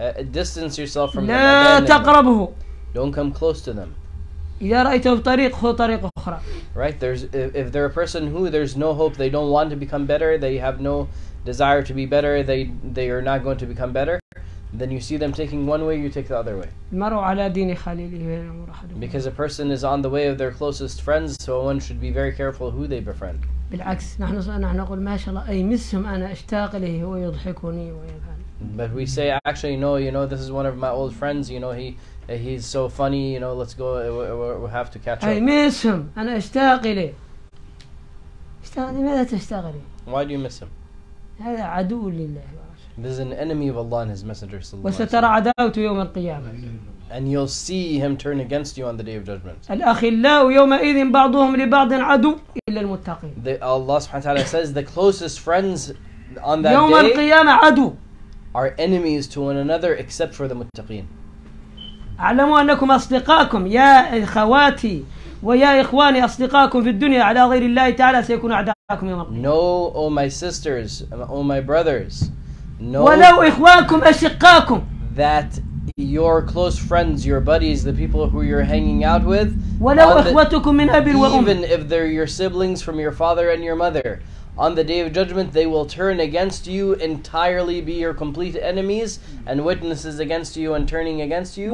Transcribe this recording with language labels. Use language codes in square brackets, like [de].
[en] Distance yourself from them. Don't come close to them. [ar] إذا رأيته بطريق خذ طريق أخرى. [en] Right, there's if they're a person who there's no hope, they don't want to become better, they have no desire to be better, they are not going to become better, then you see them taking one way, you take the other way. [ar] المرء على دين خليله أمر أحد. [en] Because a person is on the way of their closest friends, so one should be very careful who they befriend. [ar] بالعكس نحن نقول ما شاء الله أي مسهم أنا أشتاق له هو يضحكني ويفعل. [en] But we say actually no, you know, this is one of my old friends, you know, he's so funny, you know, let's go, we have to catch up. I miss him. [ar] أنا أشتاق إليه. أشتاق إليه. ماذا تشتاق إليه؟ [en] Why do you miss him? [ar] هذا عدو لله. [en] This is an enemy of Allah and His Messenger. [ar] وسترى عداوته يوم القيامة. [en] And you'll see him turn against you on the Day of Judgment. [ar] الأخلاء يومئذ بعضهم لبعض عدو إلا المتقين. [en] Allah سبحانه وتعالى says the closest friends on that [ar] يوم [en] day [ar] القيامة عدو [en] are enemies to one another except for the muttaqin. [ar] أعلموا أنكم أصدقاءكم يا إخواتي ويا إخواني أصدقاءكم في الدنيا على غير الله تعالى سيكون أعداءكم يوم القيامة. [en] No, oh my sisters, oh my brothers. No. [ar] ولو إخوانكم أشقاءكم. [en] That your close friends, your buddies, the people who you're hanging out with. [ar] ولو إخوتكم من أب وأم. [en] Even if they're your siblings from your father and your mother. On the day of judgment, they will turn against you entirely, be your complete enemies and witnesses against you and turning against you.